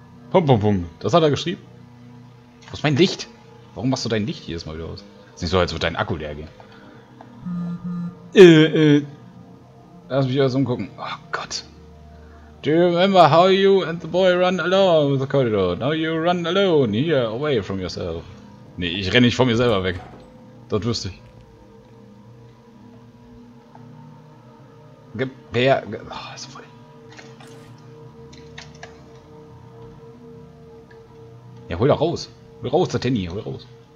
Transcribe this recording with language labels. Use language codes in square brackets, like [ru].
[de] Pum, pum, pum. Das hat er geschrieben. Was ist mein Licht? Warum machst du dein Licht jedes Mal wieder aus? Ist nicht so, als würde dein Akku leer gehen. Lass mich erst umgucken. Oh Gott. [en] Do you remember how you and the boy run along the corridor? Now you run alone, here, away from yourself. [de] Nee, ich renne nicht von mir selber weg. Das wüsste ich. Gebär. Oh, ist voll. Ja, hol doch raus. Hol raus, der Tenny, hol raus.